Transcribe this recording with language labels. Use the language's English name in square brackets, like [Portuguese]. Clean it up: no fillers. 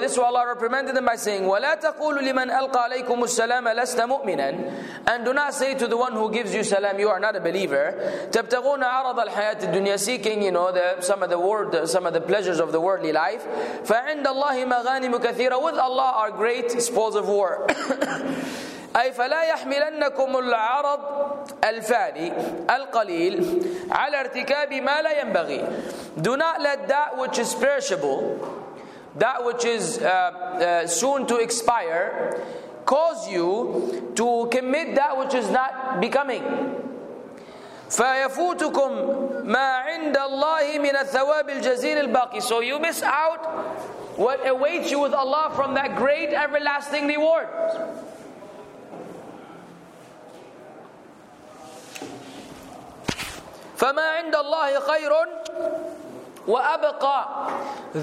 [English] This is what Allah reprimanded them by saying, [Arabic] وَلَا تَقُولُ لِمَنْ أَلْقَى عَلَيْكُمُ السَّلَامَ لَسْتَ مُؤْمِنًا. [English] And do not say to the one who gives you salam, you are not a believer. [Arabic] تَبْتَغُونَ عَرَضَ الْحَيَاةِ الدُّنْيَا, [English] seeking, some of the pleasures of the worldly life. [Arabic] فَعِنْدَ اللَّهِ مَغَانِمُ كَثِيرًا. [English] With Allah are great spoils of war. [Arabic] أي فلا يحملنكم العرض الفاني القليل على ارتكاب ما لا ينبغي. [English] Do not let that which is perishable, that which is soon to expire, cause you to commit that which is not becoming. [Arabic] فيفوتكم ما عند الله من الثواب الجزيل الباقي. [English] So you miss out what awaits you with Allah from that great everlasting reward. [Arabic] فما عند الله خير وَأَبْقَى.